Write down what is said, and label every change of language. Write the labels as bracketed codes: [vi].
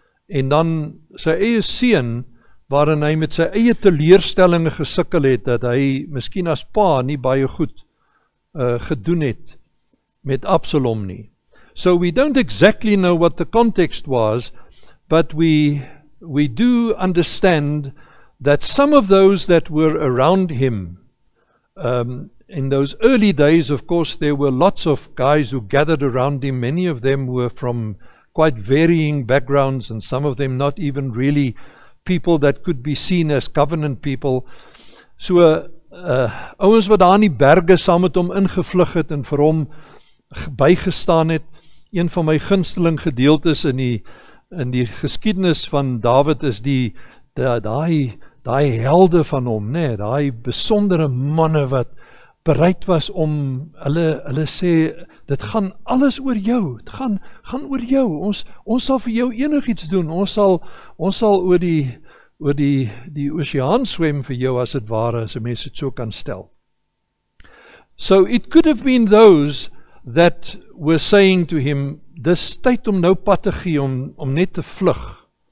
[af] En dan sy eie seun, waarin hy met sy eie teleurstellinge gesukkel het, dat hy miskien as pa nie baie goed gedoen het met Absalom nie. [en] So we don't exactly know what the context was, but we do understand that some of those that were around him, in those early days, of course, there were lots of guys who gathered around him. Many of them were from quite varying backgrounds, and some of them not even really people that could be seen as covenant people. [af] So, ouens wat daar in die berge saam met hom ingevlug het en vir hom bygestaan het, een van my gunsteling gedeeltes in die geskiedenis van David is die helde van hom, nee, die besondere manne wat bereid was om, hulle sê, dit gaan alles oor jou, dit gaan oor jou, ons sal vir jou enig iets doen, ons sal oor die oceaan swem vir jou, as het ware, as een mens het so kan stel. [en] So it could have been those that were saying to him, [af] dis tyd om nou pad te gee, om net te vlug.